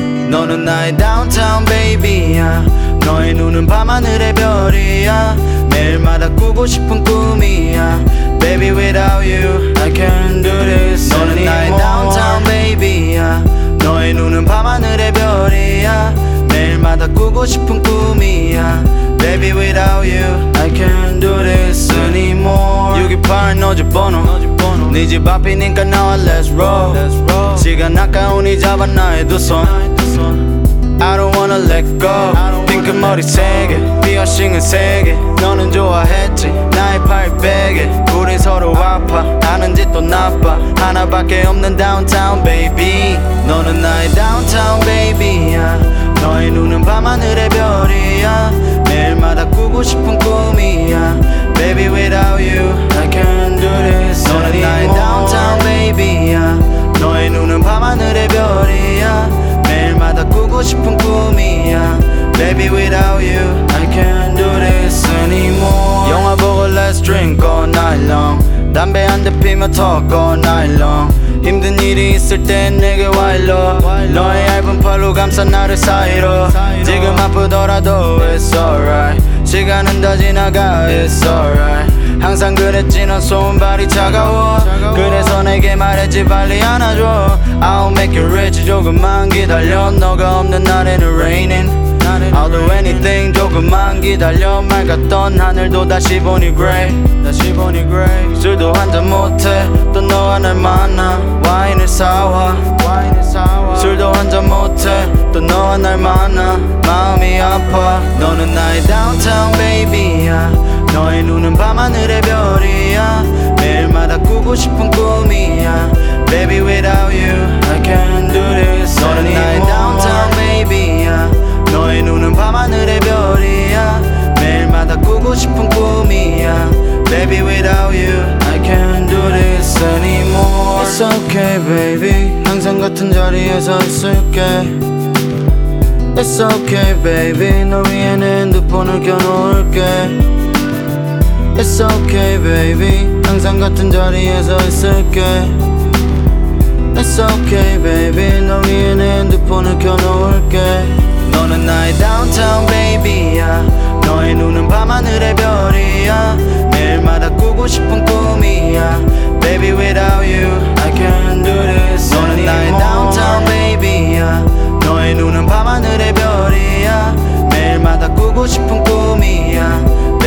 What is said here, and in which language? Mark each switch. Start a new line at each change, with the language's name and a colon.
Korean: 너는 나의
English: downtown baby
Korean: 야. 너의 눈은 밤하늘의 별이야. 매일마다 꾸고 싶은 꿈이야.
English: Baby without you I can't do this.
Korean: 너는 나의
English: downtown baby
Korean: 야. 너의 눈은 밤하늘의 별이야. 매일마다 꾸고 싶은 꿈이야.
English: Baby without you I can't do this anymore.
Korean: 6.28 너집번호 네 집 앞이니까 나와
English: let's roll.
Korean: 시간 아까우니 잡아 나의 두 손.
English: I don't wanna let go.
Korean: 핑크 머리 세 개 피어싱은 세 개 너는 좋아했지 나의 팔 베개. 우린 서로 아파 아는 짓도 나빠. 하나밖에 없는
English: downtown baby.
Korean: 너는 나의
English: downtown baby
Korean: 야. 너의 눈은 밤하늘의 별이야. 매일마다 꾸고 싶은 꿈이야.
English: Baby without you I can't do this.
Korean: 너는 나의
English: downtown baby
Korean: 야. 너의 눈은 밤하늘의 별이야. 매일마다 꾸고 싶은 꿈이야.
English: Baby without you I can't do this anymore.
Korean: 영화 보고
English: let's drink all night long.
Korean: 담배 한 대 피며
English: talk all night long.
Korean: 힘든 일이 있을 땐 내게 와일러. 너의 얇은 팔로 감싸 나를 사이로. 지금 아프더라도
English: it's alright.
Korean: 시간은 다 지나가
English: it's alright.
Korean: 항상 그랬지 넌 손발이 차가워. 그래서 내게 말했지 빨리 안아줘.
English: I'll make you rich
Korean: 조금만 기다려. 너가 없는 날에는
English: raining. I'll do anything
Korean: 조금만 기다려. 맑았던 하늘도 다시 보니
English: grey.
Korean: 다시 보니
English: grey.
Korean: 술도 한잔 못해 또 너가 날 만나. 와인을 사와 와인을 사와. 술도 한잔 못해 또 너가 날 만나. 마음이 아파. 너는 나의
English: downtown baby
Korean: 야. 너의 눈은 밤하늘의 별이야. 매일마다 꾸고 싶은 꿈이야.
English: Baby without you I can't do this.
Korean: 너는 나의
English: downtown baby
Korean: 야. 너의 눈은 밤하늘의 별이야. 매일마다 꾸고 싶은 꿈이야.
English: Baby without you I can't do this anymore. It's okay baby
Korean: 항상 같은 자리에서 있을게.
English: It's okay baby
Korean: 너 위에는 핸드폰을 켜놓을게.
English: It's okay baby
Korean: 항상 같은 자리에서 있을게.
English: It's okay baby
Korean: 너 위에는 핸드폰을 켜놓을게. 너는 나의
English: downtown baby
Korean: 야. 너의 눈은 밤하늘의 별이야. 매일마다 꾸고 싶은 꿈이야.
English: Baby without you I can't do this.
Korean: 너는 나의
English: downtown baby
Korean: 야. 너의 눈은 밤하늘의 별이야. 매일마다 꾸고 싶은 꿈이야.